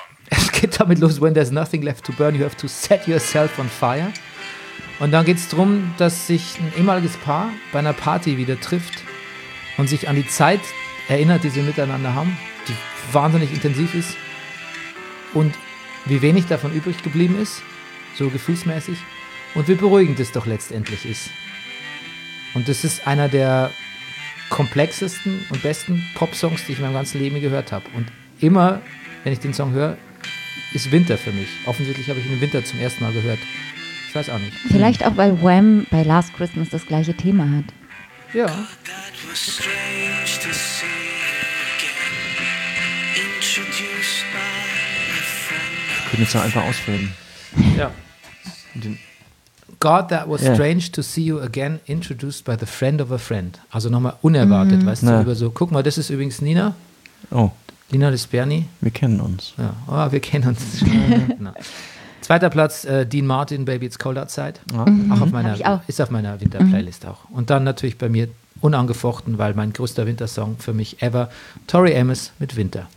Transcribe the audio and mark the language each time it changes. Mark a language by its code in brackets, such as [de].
[de] Es geht damit los, [en] when there's nothing left to burn, you have to set yourself on fire. [de] Und dann geht es darum, dass sich ein ehemaliges Paar bei einer Party wieder trifft und sich an die Zeit erinnert, die sie miteinander haben, die wahnsinnig intensiv ist und wie wenig davon übrig geblieben ist, so gefühlsmäßig, und wie beruhigend es doch letztendlich ist. Und das ist einer der komplexesten und besten Popsongs, die ich in meinem ganzen Leben gehört habe. Und immer, wenn ich den Song höre, ist Winter für mich. Offensichtlich habe ich ihn im Winter zum ersten Mal gehört. Ich weiß auch nicht. Vielleicht auch, weil Wham bei Last Christmas das gleiche Thema hat. Ja. Ich könnte es einfach ausfüllen. Ja. [en] God, that was strange to see you again, introduced by the friend of a friend. [de] Also nochmal unerwartet, weißt du, über so. Guck mal, das ist übrigens Nina. Oh. Lina Lisperni. Wir kennen uns. Ja. Oh, wir kennen uns. Zweiter Platz, Dean Martin, Baby, It's Cold Outside. Ja. Auch auf meiner, ist auf meiner Winterplaylist auch. Und dann natürlich bei mir unangefochten, weil mein größter Wintersong für mich ever, Tori Amos mit Winter.